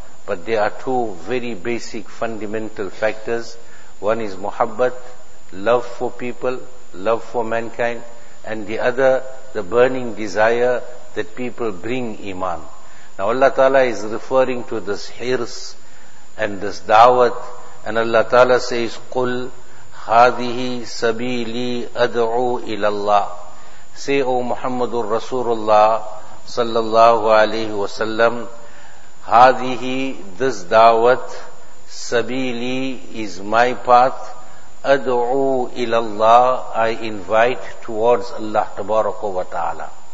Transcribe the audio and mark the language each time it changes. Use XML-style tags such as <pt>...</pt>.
<en>But there are two very basic fundamental factors. One is muhabbat, love for people, love for mankind. And the other, the burning desire that people bring iman. Now Allah ta'ala is referring to this hirs and this da'wat. And Allah ta'ala says,</en> <ar>قُلْ هَذِهِ سَبِيلِي أَدْعُوا إِلَى اللَّهِ.</ar> <en>Say, O Muhammadur Rasulullah sallallahu alayhi wa sallam,</en> <ar>هَذِهِ,</ar> <en>this da'wat,</en> <ar>سَبِيلِي,</ar> <en>is my path,</en> <ar>أَدْعُوا إِلَى اللَّهِ,</ar> <en>I invite towards Allah tabaraka wa ta'ala.</en>